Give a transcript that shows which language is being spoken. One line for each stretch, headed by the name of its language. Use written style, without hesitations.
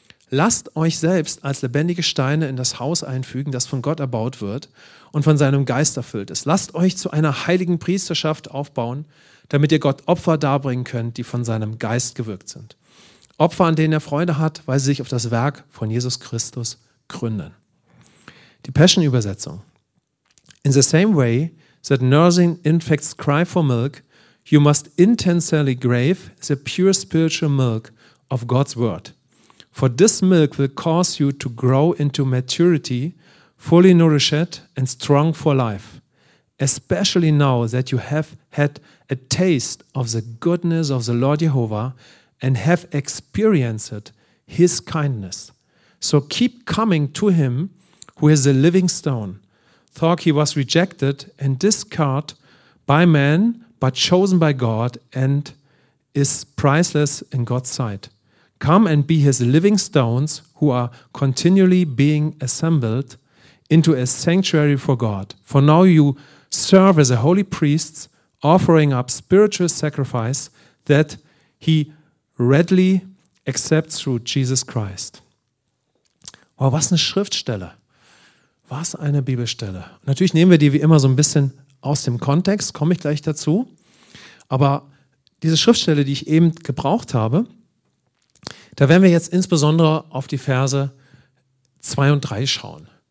German: Lasst euch selbst als lebendige Steine in das Haus einfügen, das von Gott erbaut wird und von seinem Geist erfüllt ist. Lasst euch zu einer heiligen Priesterschaft aufbauen, damit ihr Gott Opfer darbringen könnt, die von seinem Geist gewirkt sind. Opfer, an denen er Freude hat, weil sie sich auf das Werk von Jesus Christus gründen. Die Passion-Übersetzung.
English: In the same way that nursing infants cry for milk, you must intensely crave the pure spiritual milk of God's word. For this milk will cause you to grow into maturity, fully nourished and strong for life. Especially now that you have had a taste of the goodness of the Lord Jehovah and have experienced his kindness. So keep coming to him who is a living stone, though he was rejected and discarded by man, but chosen by God and is priceless in God's sight. Come and be his living stones who are continually being assembled into a sanctuary for God. For now you serve as a holy priest, offering up spiritual sacrifice that he readily accepts through Jesus Christ.
German: Wow, was eine Schriftstelle. Was eine Bibelstelle. Natürlich nehmen wir die wie immer so ein bisschen aus dem Kontext, komme ich gleich dazu. Aber diese Schriftstelle, die ich eben gebraucht habe, da werden wir jetzt insbesondere auf die Verse 2 und 3 schauen.